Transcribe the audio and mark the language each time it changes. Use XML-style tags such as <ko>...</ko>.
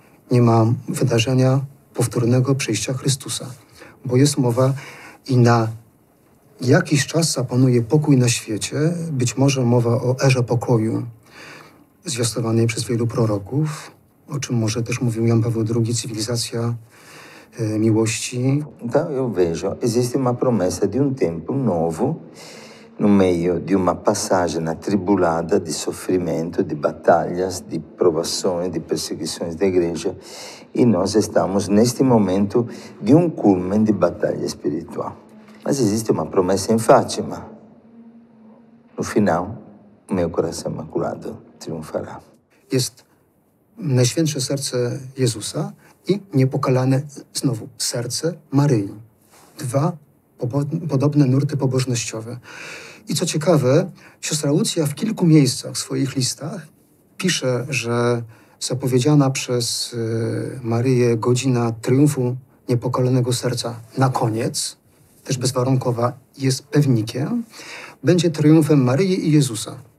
<pl>Nie ma wydarzenia powtórnego przyjścia Chrystusa. Bo jest mowa i na jakiś czas zapanuje pokój na świecie. Być może mowa o erze pokoju zwiastowanej przez wielu proroków, o czym może też mówił Jan Paweł II, cywilizacja miłości.</pl> <pt>Então eu vejo, existe uma promessa de tempo novo no meio de uma passagem atribulada de sofrimento, de batalhas, de provações, de perseguições da igreja. E nós estamos neste momento de culmen de batalha espiritual. Mas existe uma promessa em Fátima. No final, o meu coração imaculado triunfará.</pt> <pl>Jest najświętsze serce Jezusa i niepokalane znowu serce Maryi. Dwa podobne nurty pobożnościowe. I co ciekawe, siostra Lucja w kilku miejscach w swoich listach pisze, że zapowiedziana przez Maryję godzina triumfu niepokalanego serca na koniec, też bezwarunkowa, jest pewnikiem, będzie triumfem Maryi i Jezusa.</pl>